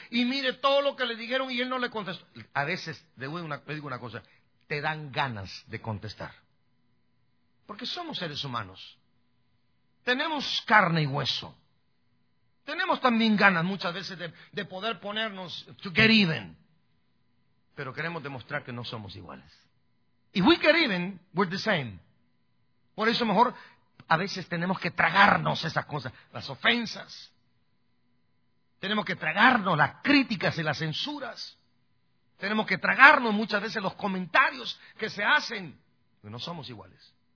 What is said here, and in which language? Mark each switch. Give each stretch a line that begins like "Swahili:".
Spanish: Y mire todo lo que le dijeron y él no le contestó. A veces, le digo una cosa, te dan ganas de contestar. Porque somos seres humanos. Tenemos carne y hueso. Tenemos también ganas muchas veces de poder ponernos
English: to get even.
Spanish: Pero queremos demostrar que no somos iguales. Y
English: we get even, we're the same.
Spanish: Por eso mejor a veces tenemos que tragarnos esas cosas, las ofensas. Tenemos que tragarnos las críticas y las censuras. Tenemos que tragarnos muchas veces los comentarios que se hacen. Pero no somos iguales.